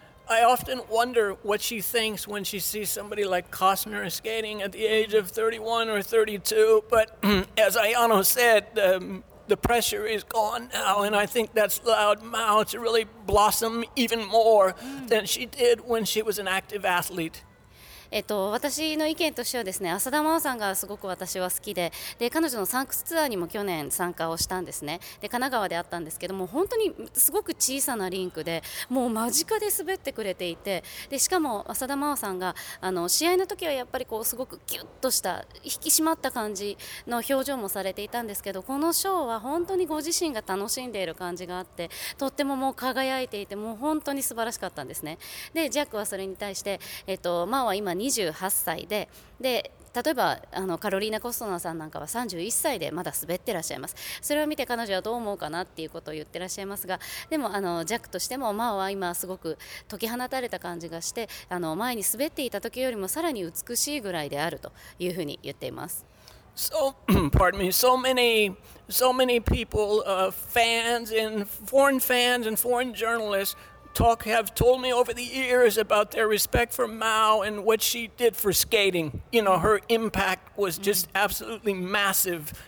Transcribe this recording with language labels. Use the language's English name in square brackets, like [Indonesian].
[English] I often wonder what she thinks when she sees somebody like Costner skating at the age of 31 or 32. But as Ayano said, the pressure is gone now. And I think that's allowed Mao to really blossom even more than she did when she was an active athlete. [Japanese] 私の意見としてはですね、浅田真央さんがすごく私は好き で彼女のサンクスツアーにも去年参加をしたんですね。で神奈川であったんですけども、本当にすごく小さなリンクでもう間近で滑ってくれていて、でしかも浅田真央さんが試合の時はやっぱりこうすごくキュッとした引き締まった感じの表情もされていたんですけど、このショーは本当にご自身が楽しんでいる感じがあって、とってももう輝いていて、もう本当に素晴らしかったんですね。でジャックはそれに対して、真央は今28歳 で例えばカロリーナ・コストナーさんなんかは31歳でまだ滑ってらっしゃいます。それを見て彼女はどう思うかなっていうことを言ってらっしゃいますが、でもジャックとしてもマオは今すごく解き放たれた感じがして、前に滑っていた時よりもさらに美しいぐらいであるというふうに言っています。 [English] So, pardon me, so many people, fans and foreign fans and foreign journalists have told me over the years about their respect for Mao and what she did for skating. You know, her impact was just absolutely massive.